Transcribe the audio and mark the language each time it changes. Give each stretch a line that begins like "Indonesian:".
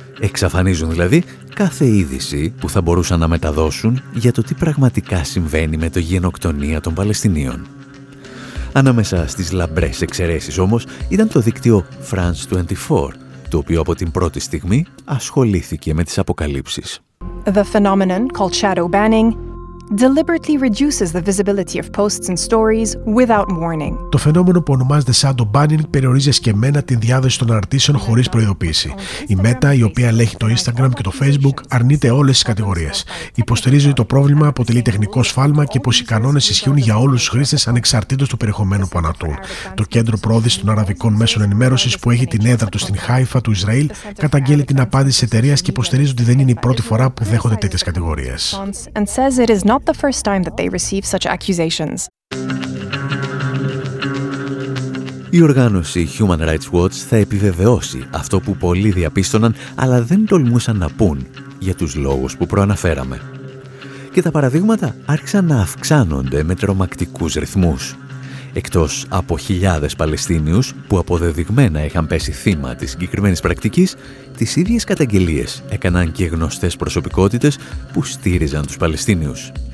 Greek: Εξαφανίζουν δηλαδή κάθε είδηση που θα μπορούσαν να μεταδώσουν για το τι πραγματικά συμβαίνει με το γενοκτονία των Παλαιστινίων. Ανάμεσα στις λαμπρές εξαιρέσεις όμως ήταν το δίκτυο France 24, το οποίο από την πρώτη στιγμή ασχολήθηκε με τις αποκαλύψεις.
English: The phenomenon called shadow banning deliberately reduces the visibility of posts and stories without warning.
Greek: Το φαινόμενο που ονομάζεται shadow banning περιορίζει ασκεμμένα την διάδοση των αναρτήσεων χωρίς προειδοποίηση. Η Meta, η οποία ελέγχει το Instagram και το Facebook, αρνείται όλες τις κατηγορίες. Υποστηρίζει ότι το πρόβλημα αποτελεί τεχνικό σφάλμα και πως οι κανόνες ισχύουν για όλους τους χρήστες ανεξαρτήτως του περιεχομένου που ανατούν. Το Κέντρο Πρόοδησης των Αραβικών Μέσων Ενημέρωσης, που έχει την έδρα του στην Χάιφα του Ισραήλ, καταγγέλει την απάντηση της εταιρείας και υποστηρίζει ότι δεν είναι η πρώτη φορά που δέχονται τέτοιες κατηγορίες.
English: Not the first time that they receive such accusations.
Greek: Η οργάνωση Human Rights Watch θα επιβεβαιώσει αυτό που πολλοί διαπίστωναν, αλλά δεν τολμούσαν να πούν για τους λόγους που προαναφέραμε. Και τα παραδείγματα άρχισαν να αυξάνονται με τρομακτικούς ρυθμούς. Εκτός από χιλιάδες Παλαιστίνιους που αποδεδειγμένα είχαν πέσει θύμα της συγκεκριμένης πρακτικής, τις ίδιες καταγγελίες έκαναν και γνωστές προσωπικότητες που στήριζαν τους Παλαιστίνιους.